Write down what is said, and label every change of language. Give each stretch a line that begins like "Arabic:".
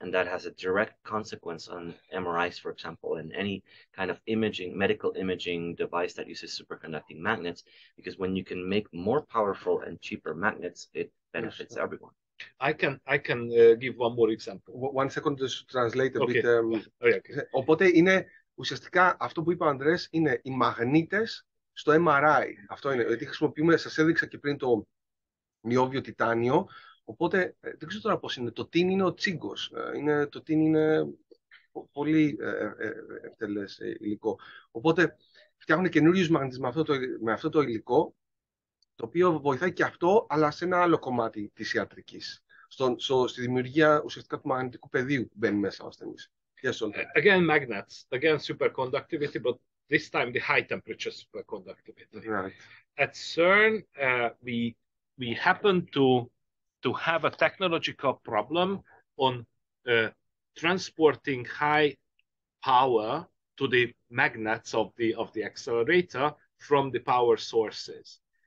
English: And that has a direct consequence on MRIs, for example, and any kind of imaging, medical imaging device that uses superconducting magnets, because when you can make more powerful and cheaper magnets, it benefits everyone. I can give one more example. One second to translate a okay. bit. Okay.
Greek: Οπότε είναι ουσιαστικά αυτό που είπε ο Ανδρέας, είναι οι μαγνήτες στο MRI. Αυτό είναι. Γιατί χρησιμοποιούμε, σας έδειξα και πριν το νιόβιο τιτάνιο. Οπότε δεν ξέρω τώρα πώς είναι. Το τίν είναι ο τσίγκος. Το τίν είναι πολύ ευτελές υλικό. Οπότε φτιάχνουν καινούριους μαγνήτες με αυτό το υλικό, το οποίο βοηθάει και αυτό, αλλά σε ένα άλλο κομμάτι της ιατρικής. Στη δημιουργία ουσιαστικά του μαγνητικού πεδίου που μπαίνει μέσα ο ασθενής.
English: Yes, again magnets, again superconductivity, but this time the high temperature superconductivity. Right. At CERN, we happen to have a technological problem on transporting high power to the magnets of the accelerator from the power sources.